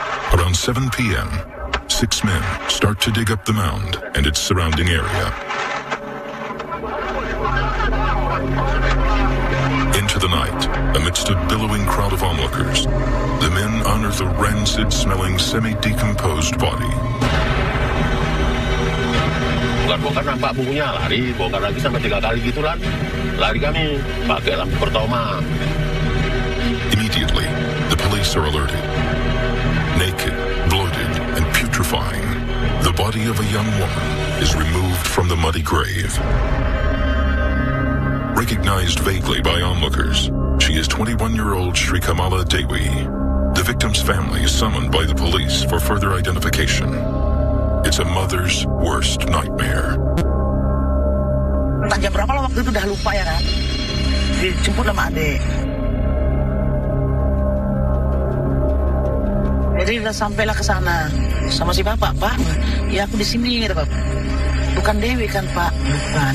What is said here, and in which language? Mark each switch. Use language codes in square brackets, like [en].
[en] Around 7 p.m., six men start to dig up the mound and its surrounding area. Into the night, amidst a billowing crowd of onlookers, the men unearth a rancid-smelling, semi-decomposed body. [id] Bongkar nampak bungunya, lari, bongkar lagi sampai tiga kali gitu kan. Lari kami, pakai lampu pertama. [en] Immediately, the police are alerted. Naked, bloated, and putrefying, the body of a young woman is removed from the muddy grave. Recognized vaguely by onlookers, she is 21-year-old Sri Kamala Dewi. The victim's family is summoned by the police for further identification. It's a mother's worst nightmare. [id] Entah jam berapa lah waktu itu udah lupa ya kan? Dijemput sama adik. Jadi udah sampailah ke sana sama si bapak, pak. Ya aku di sini, gitu, pak. Bukan Dewi kan, pak? Bukan.